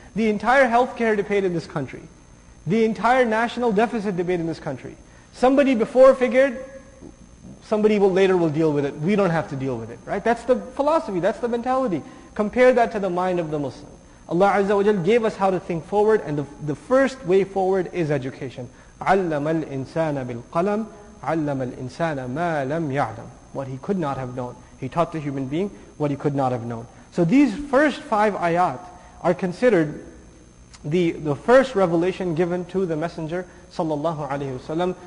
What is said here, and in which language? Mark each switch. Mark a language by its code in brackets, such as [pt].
[en] The entire healthcare debate in this country, the entire national deficit debate in this country, somebody before figured, somebody will later will deal with it. We don't have to deal with it, right? That's the philosophy, that's the mentality. Compare that to the mind of the Muslim. Allah Azza wa Jal gave us how to think forward, and the first way forward is education. [ar] عَلَّمَ الْإِنسَانَ بِالْقَلَمِ عَلَّمَ الْإِنسَانَ مَا لَمْ يَعْلَمْ [en] What he could not have known. He taught the human being what he could not have known. So these first five ayat are considered the first revelation given to the Messenger sallallahu alayhi wasallam.